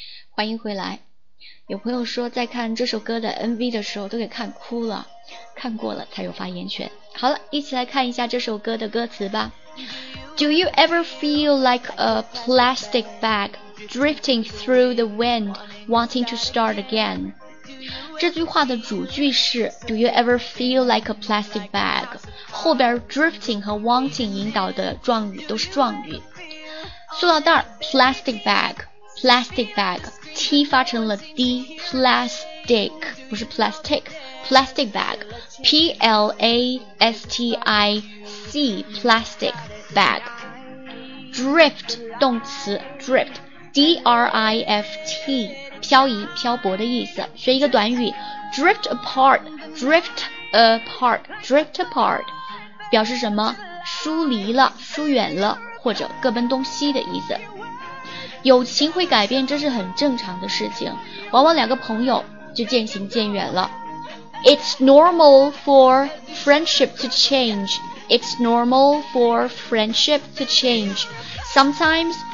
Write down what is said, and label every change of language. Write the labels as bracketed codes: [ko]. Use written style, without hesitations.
[zh] 欢迎回来。有朋友说在看这首歌的 MV 的时候都给看哭了，看过了才有发言权。好了，一起来看一下这首歌的歌词吧。 [en] Do you ever feel like a plastic bag drifting through the wind wanting to start again? [zh] 这句话的主句是 [en] Do you ever feel like a plastic bag? [zh] 后边 drifting 和 wanting 引导的状语都是状语。塑料袋 plastic bagPlastic bag， T 发成了 D， plastic 不是 plastic， plastic bag， P L A S T I C， plastic bag， drift 动词 drift， D R I F T， 漂移漂泊的意思。学一个短语 drift apart， drift apart， drift apart 表示什么？疏离了，疏远了，或者各奔东西的意思。友情会改变，这是很正常的事情，往往两个朋友就渐行渐远了。 [en] It's normal for friendship to change. It's normal for friendship to change. Sometimes